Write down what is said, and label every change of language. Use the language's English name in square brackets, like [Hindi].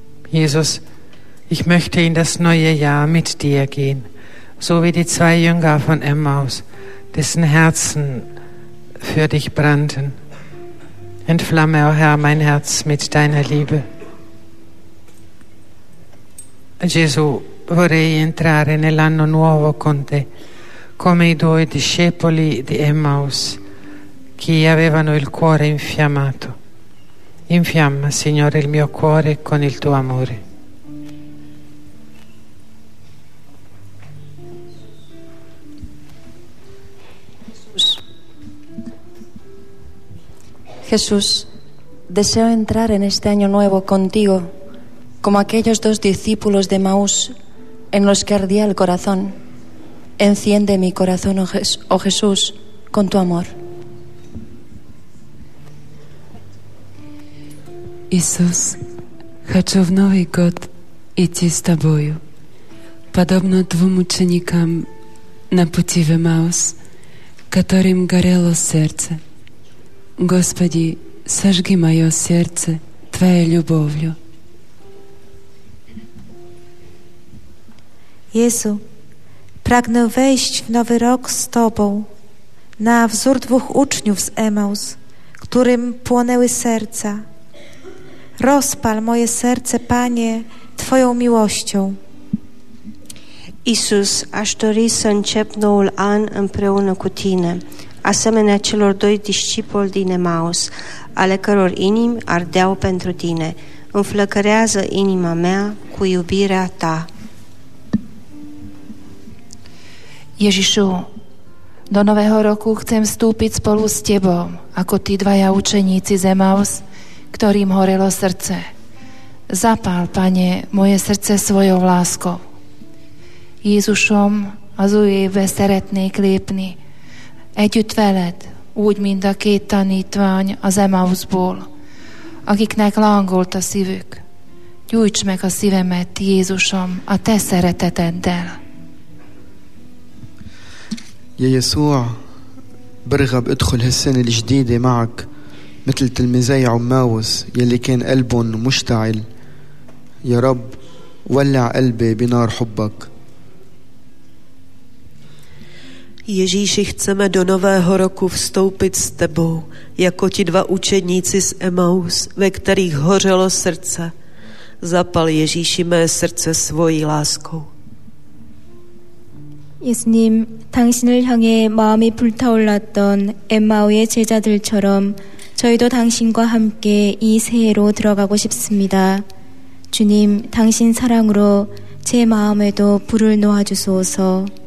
[German] Jesus, ich möchte in das neue Jahr mit dir gehen, so wie die zwei Jünger von Emmaus, dessen Herzen für dich brannten. Entflamme, O Herr, mein Herz mit deiner Liebe. [Italian] Gesù, vorrei entrare nell'anno nuovo con te, come i due discepoli di Emmaus, che avevano il cuore infiammato. Infiamma, Signore, il mio cuore con il tuo amore. [Spanish] Jesús, deseo entrar en este año nuevo contigo, como aquellos dos discípulos de Emaús en los que ardía el corazón. Enciende mi corazón, oh Jesús, con tu amor. [Russian] Jesús, хочу в Новый год идти с тобою, подобно двум ученикам на пути в Эмаус, которым горело сердце. Господи, сожги мое сердце Твоей любовью. [Polish] Jezu, pragnę wejść w nowy rok z Tobą na wzór dwóch uczniów z Emaus, którym płonęły serca. Rozpal moje serce, Panie, Twoją miłością. [Romanian] Iisus, aș dori să încep noul an împreună cu Tine, asemenea celor doi discipoli din Emaus, ale căror inimi ardeau pentru Tine. Înflăcărează inima mea cu iubirea Ta. [Slovak] Ježišu, do nového roku chcem vstúpiť spolu s Tebou, ako tí dvaja učeníci z Emaus, ktorým horelo srdce. Zapál, Pane, moje srdce svojou láskou. [Hungarian] Jézusom, az új évbe szeretnék lépni. Együtt veled, úgy, mint a két tanítvány az Emausból, akiknek lángolt a szívük. Gyújts meg a szívemet, Jézusom, a Te szereteteddel. [Arabic] يا يسوع برغب ادخل هالسنة الجديدة معك مثل تلميذي عماوس يلي كان قلبهم مشتعل يا رب ولع قلبي بنار حبك [Czech] Ježíši, chceme do nového roku vstoupit s tebou jako ti dva učeníci z Emaus, ve kterých hořelo srdce. Zapal Ježíši mé srdce svojí láskou. [Korean] 예수님, 당신을 향해 마음이 불타올랐던 엠마오의 제자들처럼 저희도 당신과 함께 이 새해로 들어가고 싶습니다. 주님, 당신 사랑으로 제 마음에도 불을 놓아주소서.